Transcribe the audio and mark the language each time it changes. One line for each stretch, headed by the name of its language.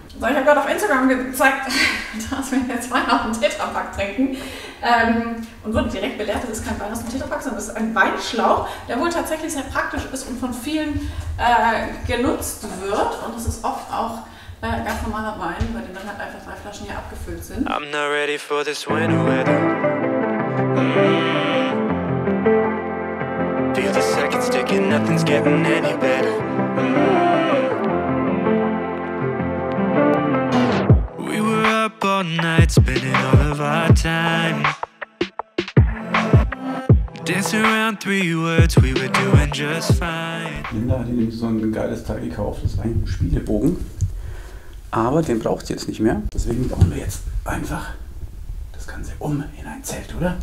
German: So, ich habe gerade auf Instagram gezeigt, dass wir jetzt Wein aus dem Tetrapack trinken. Und wurde direkt belehrt, das ist kein Wein aus dem Tetrapack, sondern das ist ein Weinschlauch, der wohl tatsächlich sehr praktisch ist und von vielen genutzt wird. Und es ist oft auch ganz normaler Wein, weil die dann halt einfach 3 Flaschen hier abgefüllt sind.
English: I'm not ready for this winter weather. Feel the seconds ticking, nothing's getting any better. We were up all night, spending all of our time. Dance around 3 words, we were doing just fine.
German: Linda hat nämlich so ein geiles Teil gekauft, das ist ein Spielebogen. Aber den braucht sie jetzt nicht mehr. Deswegen bauen wir jetzt einfach das Ganze um in ein Zelt, oder?